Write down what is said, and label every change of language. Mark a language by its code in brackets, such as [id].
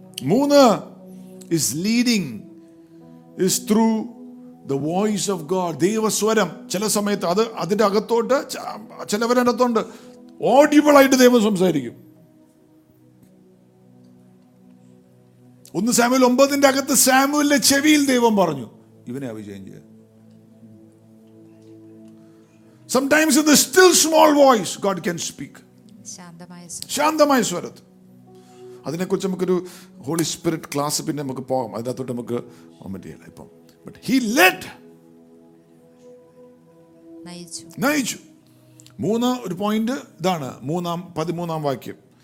[en] മൂന്ന്, is leading is through the voice of God, ദൈവസ്വരം. [ml] ചില സമയത്ത് അത് അതിൻ്റെ അകത്തോട്ട്, ചിലവരകത്തോണ്ട് ഓഡിയബിൾ ആയിട്ട് ദൈവം സംസാരിക്കും. ഒന്ന് സാമുവേൽ 9 അകത്ത് സാമുവേലിന്റെ ചെവിയിൽ ദൈവം പറഞ്ഞു, ഇവനെ അഭിജയം ചെയ്യുക. [en] Sometimes in the still small voice God can speak. [ml] ശാന്തമായ സ്വരത്തിൽ. അതിനെ കുറിച്ച് നമുക്കൊരു ഹോളി സ്പിരിറ്റ് ക്ലാസ് പിന്നെ നമുക്ക് പോകാം, അതിനകത്തോട്ട് നമുക്ക് പറ്റിയല്ല ഇപ്പം. [en] But he led. [ml] നയിച്ചു. മൂന്ന്, ഒരു പോയിന്റ് ഇതാണ്, മൂന്നാം 13 വാക്യം.